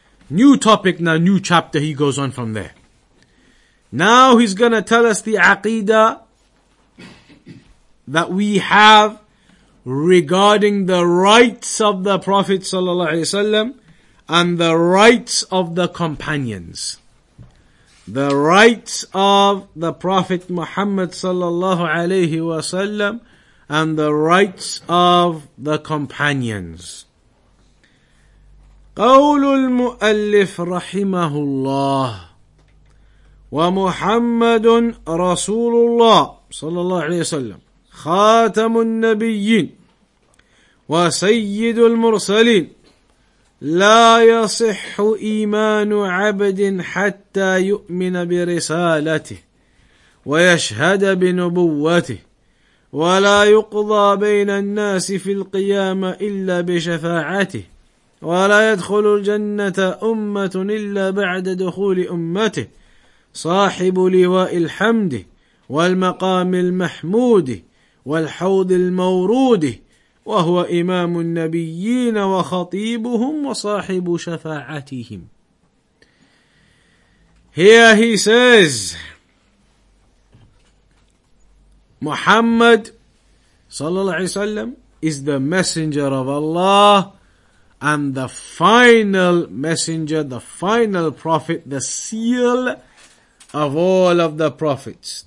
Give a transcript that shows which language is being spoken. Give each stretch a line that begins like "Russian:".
English: New topic now, new chapter he goes on from there. Now he's gonna tell us the aqidah that we have regarding the rights of the Prophet sallallahu alaihi wasallam and the rights of the companions. The rights of the Prophet Muhammad sallallahu alaihi wasallam and the rights of the companions.
Arabic: قول المؤلف رحمه الله ومحمد رسول الله صلى الله عليه وسلم خاتم النبيين وسيد المرسلين لا يصح إيمان عبد حتى يؤمن برسالته ويشهد بنبوته ولا يقضى بين الناس في القيامة إلا بشفاعته ولا يدخل الجنة أمة إلا بعد دخول أمته صاحب لواء الحمد والمقام المحمود والحوض المورود وهو إمام النبيين وخطيبهم وصاحب شفاعتهم.
English: Here he says, Muhammad
Arabic: صلى الله عليه وسلم
English: is the messenger of Allah and the final messenger, the final prophet, the seal of all of the prophets.